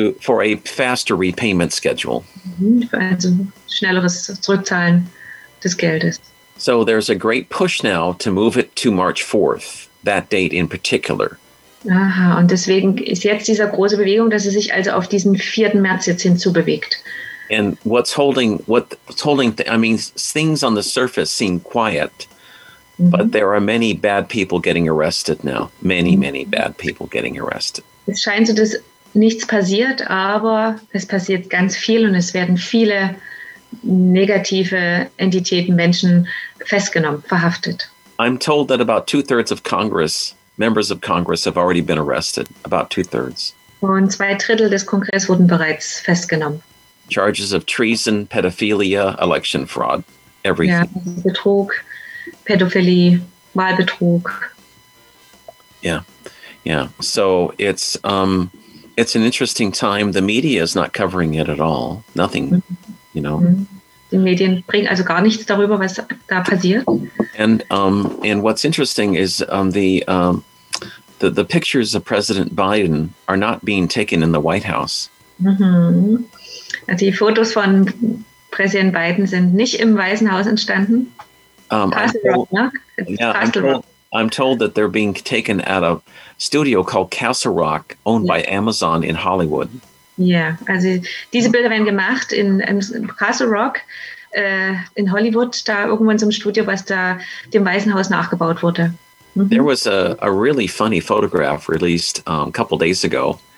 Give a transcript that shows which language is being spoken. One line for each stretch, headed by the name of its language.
English: For a faster repayment schedule.
German: Also schnelleres Zurückzahlen des Geldes.
English: So there's a great push now to move it to March 4th, that date in particular.
German: Aha, und deswegen ist jetzt dieser große Bewegung, dass sie sich also auf diesen 4. März jetzt hinzubewegt.
English: And what's holding, things on the surface seem quiet, but there are many bad people getting arrested now. Many, many bad people getting arrested.
German: Es scheint so, dass nichts passiert, aber es passiert ganz viel und es werden viele negative Entitäten, Menschen festgenommen, verhaftet.
English: I'm told that about 2/3 of Congress, members of Congress, have already been arrested. About 2/3.
German: Und 2/3 des Kongresses wurden bereits festgenommen.
English: Charges of treason, pedophilia, election fraud, everything.
German: Yeah, Betrug, Pädophilie, Wahlbetrug.
English: Yeah, yeah. So it's an interesting time. The media is not covering it at all. Nothing, you know. Mm-hmm.
German: die Medien bringen also gar nichts darüber, was da passiert.
English: And what's interesting is the pictures of President Biden are not being taken in the White House. Mm-hmm.
German: Die Fotos von Präsident Biden sind nicht im Weißen Haus entstanden.
English: I'm told that they're being taken at a studio called Castle Rock, owned by Amazon in Hollywood.
German: Yeah, also diese Bilder werden gemacht in Castle Rock in Hollywood, da irgendwo in so einem Studio, was da dem Weißen Haus nachgebaut wurde.
English: Mm-hmm. There was a really funny photograph released a couple days ago.